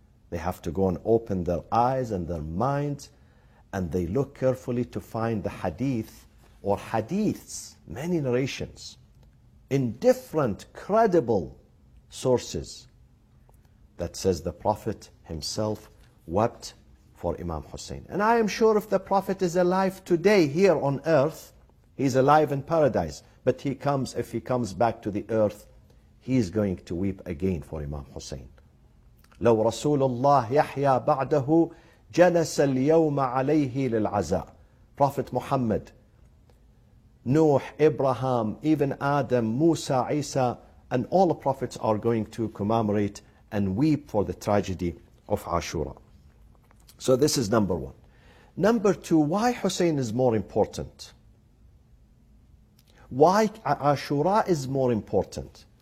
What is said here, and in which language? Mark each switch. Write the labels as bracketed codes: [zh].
[en] They have to go and open their eyes and their minds, and they look carefully to find the hadith or hadiths, many narrations, in different credible sources that says the Prophet himself wept for Imam Hussein. And I am sure if the Prophet is alive today here on earth, he's alive in paradise. But if he comes back to the earth, he is going to weep again for Imam Hussein. [ar] لو رسول الله يحيى بعده جلس اليوم عليه للعزاء. [en] Prophet Muhammad, Nuh, Abraham, even Adam, Musa, Isa, and all the prophets are going to commemorate and weep for the tragedy of Ashura. So this is number one. Number two, why Hussein is more important? Why Ashura is more important?